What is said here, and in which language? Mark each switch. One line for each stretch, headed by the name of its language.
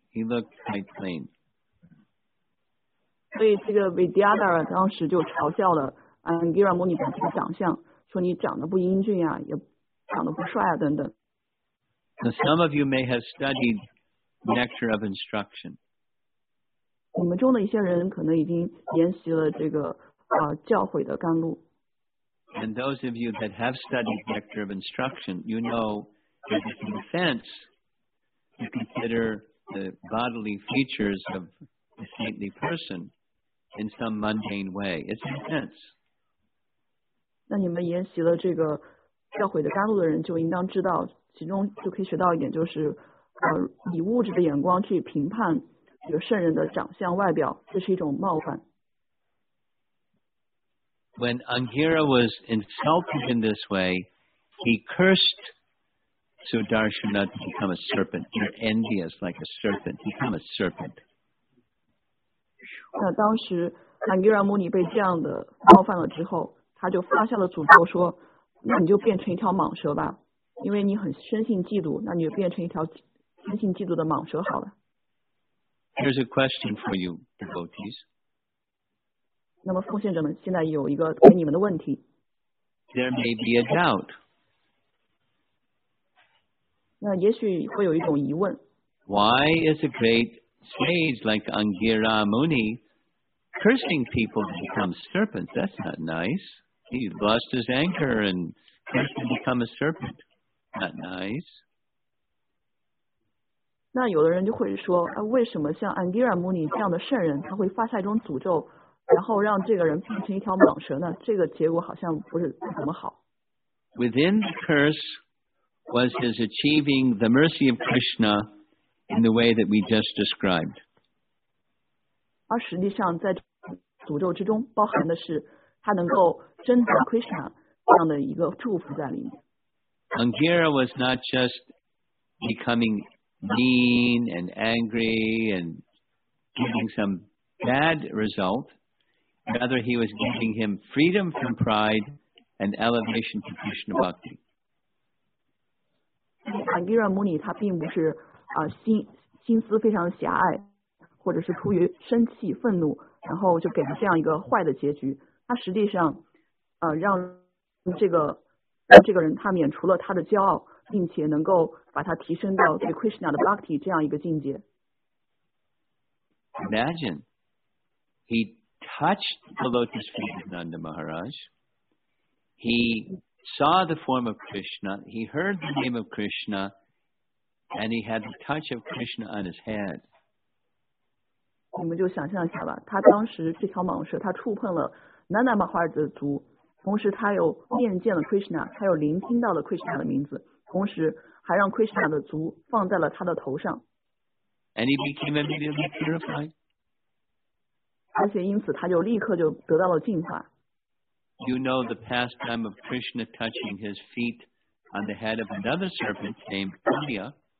English: He looked quite plain.
Chinese: 所以这个 Vidyadhara 当时就嘲笑了 Angira Muni 的长相，说你长得不英俊啊，也长得不帅啊等等。
English: Now, some of you may have studied Nectar of Instruction.
Chinese: 你们中的一些人可能已经研习了这个教诲的甘露。
English: And those of you that have studied Nectar of Instruction, you know that it's an offense to consider the bodily features of a saintly person in some mundane way. It's an offense.
Chinese: 那你们研习了这个教诲的甘露的人就应当知道，其中就可以学到一点，就是以物质的眼光去评判这个圣人的长相外表，这是一种冒犯。
English: When Angira was insulted in this way, he cursed Sudarshana to become a serpent. You're envious like a serpent. Become a serpent.
Chinese: 那当时那尼拉摩尼被这样的冒犯了之后，他就发下了诅咒说，那你就变成一条蟒蛇吧，因为你很生性嫉妒，那你就变成一条生性嫉妒的蟒蛇好了。
English: Here's a question for you, devotees.
Chinese: 那么奉献者们现在有一个给你们的问题。
English: There may be a doubt.
Chinese: 那也许会有一种疑问。
English: Why is a great sage like Angira Muni cursing people to become serpents? That's not nice. He lost his anchor and has to become a serpent. Not nice.
Chinese: 那有的人就会说，啊，为什么像安迪拉穆尼这样的圣人，他会发下一种诅咒，然后让这个人变成一条蟒蛇呢？这个结果好像不是怎么好。
English: Within the curse was his achieving the mercy of Krishna in the way that we just described.
Chinese: 而实际上，在诅咒之中包含的是。他能够真的 Krishna 这样的一个祝福在里面。
English: Angira was not just becoming mean and angry and giving some bad result. Rather, he was giving him freedom from pride and elevation to Krishna Bhakti.
Chinese: Angira Muni 他并不是心思非常狭隘，或者是出于生气愤怒，然后就给了这样一个坏的结局。他实际上，让这个人他免除了他的骄傲，并且能够把他提升到对 Krishna 的 Bhakti 这样一个境界。
English: Imagine he touched the lotus feet of Nanda Maharaj. He saw the form of Krishna. He heard the name of Krishna, and he had the touch of Krishna on his head.
Chinese: 你们就想象一下吧，他当时这条蟒蛇，他触碰了。南达马哈尔兹的足，同时他又面见了 Krishna， 他又聆听到了 Krishna 的名字，同时还让 Krishna 的足放在了他的头上。
English: And he became immediately purified.
Chinese: 而且因此他就立刻就得到了净化。
English: You know the pastime of Krishna touching his feet on the head of another serpent named Kaliya.